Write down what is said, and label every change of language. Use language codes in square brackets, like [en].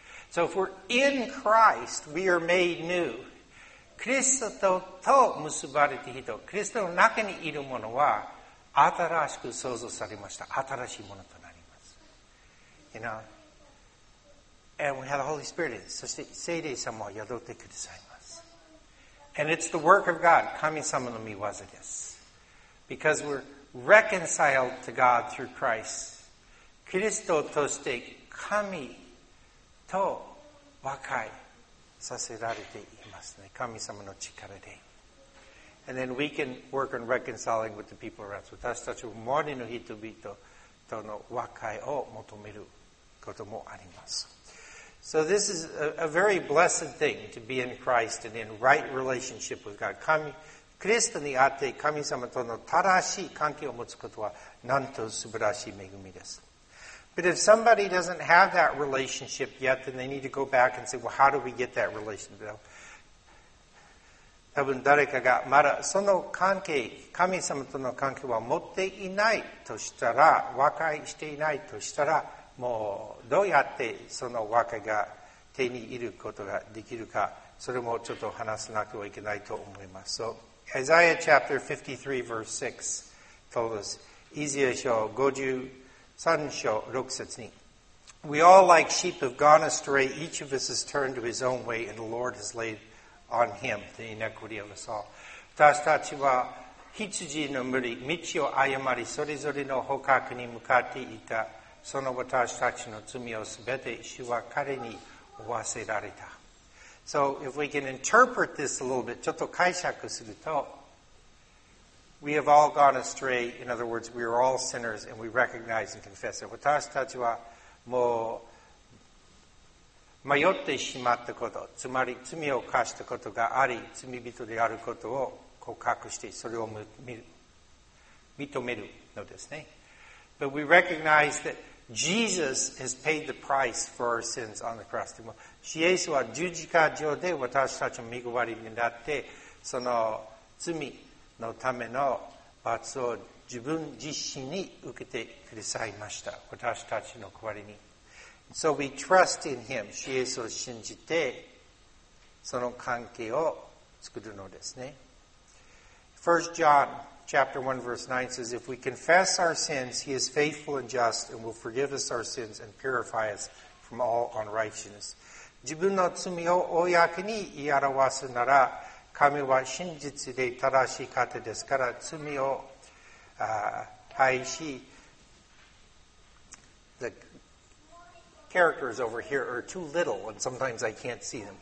[en] So if we're in Christ, we are made new. [ja] キリストと結ばれた人、キリストの中にいるものは新しく創造されました。新しいものとなります。 [en] You know? And we have the Holy Spirit in us. [ja] そして聖霊様を宿ってくださいます。 [en] And it's the work of God, [ja] 神様の御業です。 [en] Because we'reReconciled to God through Christ. [ja] キリストとして神と和解させられていますね。神様の力で。 [en] And then we can work on reconciling with the people around us. [ja] 私たちも周りの人々との和解を求めることもあります。 [en] So this is a very blessed thing to be in Christ and in right relationship with God. [ja] 神キリストにあって神様との正しい関係を持つことはなんと素晴らしい恵みです。 [en] But if somebody doesn't have that relationship yet, then they need to go back and say, well, how do we get that relationship? [ja] 多分誰かがまだその関係、神様との関係は持っていないとしたら、和解していないとしたら、もうどうやってその和解が手に入ることができるか、それもちょっと話さなくてはいけないと思います。 [en] So,Isaiah chapter 53 verse 6 told us, Isaiah [ja] 書53章6節に [en] We all like sheep have gone astray, each of us has turned to his own way, and the Lord has laid on him the iniquity of us all. [ja] 私たちは羊の群れ、道を誤り、それぞれの捕獲に向かっていた。その私たちの罪をすべて主は彼に負わせられた。 [en] So if we can interpret this a little bit, [ja] ちょっと解釈すると [en] We have all gone astray. In other words, we are all sinners and we recognize and confess it. [ja] 私たちはもう迷ってしまったこと、つまり罪を犯したことがあり、罪人であることを告白して、それを認めるのですね。 [en] But we recognize that Jesus has paid the price for our sins on the cross. [ja] でも、イエスは十字架上で私たちの身代わりになって、その罪のための罰を自分自身に受けてくださいました。私たちの代わりに。 [en] So we trust in him. [ja] イエスを信じて、その関係を作るのですね。 [en] 1 John chapter 1 verse 9 says, If we confess our sins, he is faithful and just and will forgive us our sins and purify us from all unrighteousness. [ja] 自分の罪を公に言い表すなら、神は真実で正しい方ですから、罪を廃し、 [en] The characters over here are too little, and sometimes I can't see them.